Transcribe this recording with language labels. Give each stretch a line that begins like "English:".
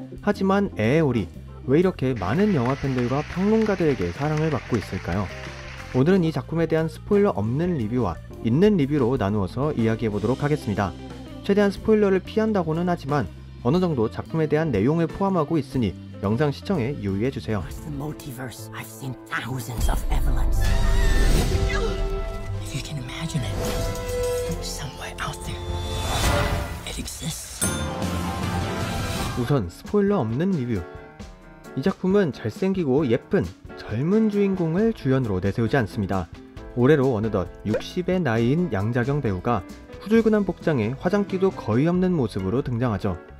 Korean: 하지만 에에오리, 왜 이렇게 많은 영화 팬들과 평론가들에게 사랑을 받고 있을까요? 오늘은 이 작품에 대한 스포일러 없는 리뷰와 있는 리뷰로 나누어서 이야기해보도록 하겠습니다. 최대한 스포일러를 피한다고는 하지만 어느 정도 작품에 대한 내용을 포함하고 있으니 영상 시청에 유의해주세요.
English: It's the multiverse. I've seen thousands of Evelyns. If you can imagine it, somewhere out there, it exists.
Korean: 우선 스포일러 없는 리뷰. 이 작품은 잘생기고 예쁜 젊은 주인공을 주연으로 내세우지 않습니다. 올해로 어느덧 60의 나이인 양자경 배우가 후줄근한 복장에 화장기도 거의 없는 모습으로 등장하죠.